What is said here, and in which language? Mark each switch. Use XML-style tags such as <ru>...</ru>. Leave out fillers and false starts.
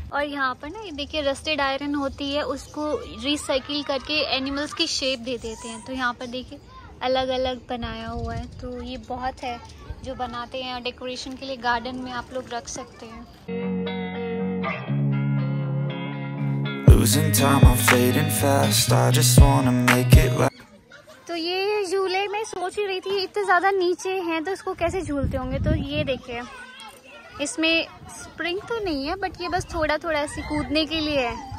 <hi>और यहाँ पर ना ये देखिए रस्टेड आयरन होती है उसको रिसाइकिल करके एनिमल्स की शेप दे देते हैं. तो यहाँ पर देखिए अलग अलग बनाया हुआ है. तो ये बहुत है जो बनाते हैं और डेकोरेशन के लिए गार्डन में आप लोग रख सकते हैं.</hi> <en>Losing time, I'm fading fast. I just wanna make it last.</en> <hi>तो ये झूले मैं सोच ही रही थी इतने ज्यादा नीचे हैं तो इसको कैसे झूलते होंगे. तो ये देखिए इसमें स्प्रिंग तो नहीं है बट ये बस थोड़ा थोड़ा ऐसे कूदने के लिए है.</hi>